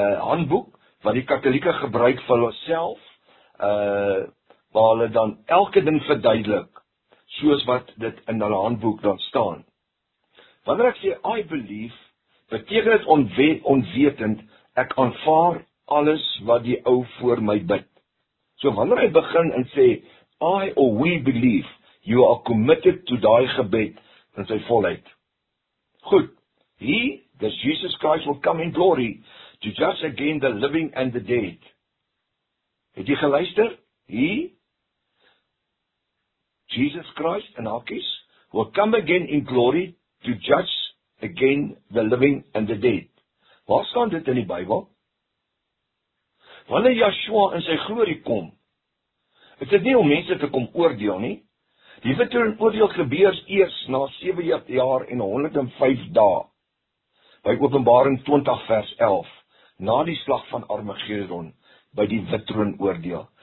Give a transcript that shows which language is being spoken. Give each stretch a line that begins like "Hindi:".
Afrikaans: handboek, wat die katholieke gebruik vir onsself, waar hulle dan elke ding verduidelik, soos wat dit in hulle handboek dan staan. Wanneer ek sê, I believe, beteken het onwetend, ek aanvaar alles wat die ou voor my bid. So wanneer hy begin en sê, I or we believe, you are committed to die gebed in sy volheid.
English: Goed, he, this Jesus Christ, will come in glory to judge again the living and the dead. Het jy geluister? He, Jesus Christ, in hakies, will come again in glory to judge again the living and the dead.
Afrikaans: Waar staan dit in die Bybel? Wanneer Yahshua in sy glorie kom, is dit nie om mense te kom oordeel nie. Die vertoon oordeel gebeurs eers na 7 jaar en 105 dae, by Openbaring 20 vers 11, na die slag van Armageddon, by die vertoon oordeel.